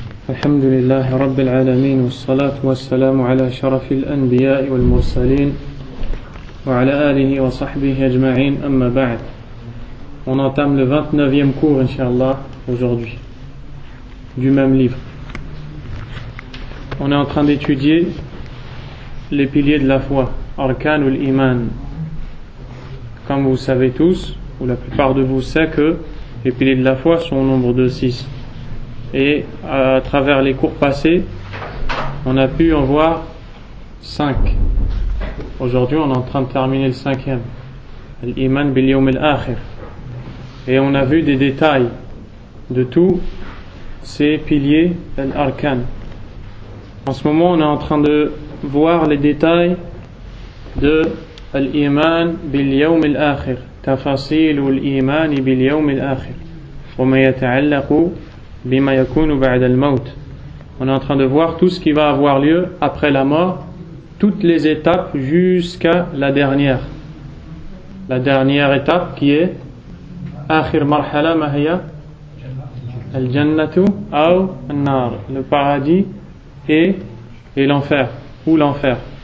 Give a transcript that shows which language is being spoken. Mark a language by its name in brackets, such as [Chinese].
[Arabic] الحمد لله رب العالمين والصلاة والسلام على شرف الأنبياء والمرسلين وعلى آله وصحبه أجمعين أما بعد. [French] On entame le 29e cours, inshallah, aujourd'hui, du même livre. On est en train d'étudier les piliers de la foi, arkan ou l'iman. Comme vous savez tous, ou la plupart de vous savent, que les piliers de la foi sont au nombre de 6. Et à travers les cours passés, on a pu en voir 5. Aujourd'hui, on est en train de terminer le 5e, l'iman bil yawm al-akhir. Et on a vu des détails de tous ces piliers al-arkan. En ce moment, on est en train de voir les détails de l'iman bil yawm al-akhir. [Arabic] Tafasil ou l'iman bil yawm al-akhir. وما يتعلق بما يكون بعد الموت. [French] On est en train de voir tout ce qui va avoir lieu après la mort, toutes les étapes jusqu'à la dernière. La dernière étape qui est [Arabic] آخر مرحلة ما هي الجنة أو النار, [French] le paradis et l'enfer ou l'enfer.